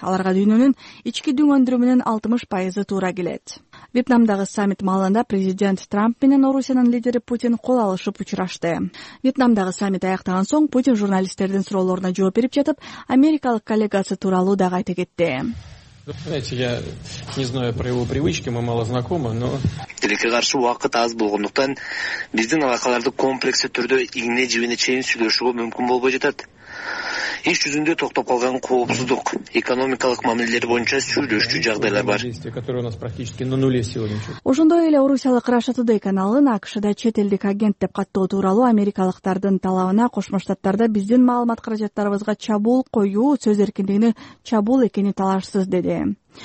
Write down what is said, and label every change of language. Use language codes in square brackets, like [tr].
[ky] Аларга дүйнөнүн ички дүң өндүрүмүнүн 60% туура келет. Вьетнамдагы саммит маалында президент Трамп менен Орусиянын лидери Путин кол алышып учурашты. Вьетнамдагы саммит аяктаган соң Путин журналисттердин суроолоруна жооп берип жатып, америкалык коллегасы тууралуу дагы айта кетти. [ru] Знаете, я не знаю про его привычки, мы мало знакомы, но... [ky] Тилекке каршы уакыт аз болгондуктан, биздин алакаларды комплексе түрдө ийне жибине чейин сүйлөшүүгө мүмкүн болбой жатат. Иш жүзүндө токтоп калган коопсуздук, экономикалык мамилелер боюнча сүйлөшчү жагдайлар бар. Ошондой эле Орусиялык Раша Тудей каналын АКШда чет элдик агент деп каттоо тууралуу америкалыктардын талабына Кошмо Штаттарда биздин маалымат каражаттарыбызга чабуул коюу сөз эркиндигине чабуул экени талашсыз деди.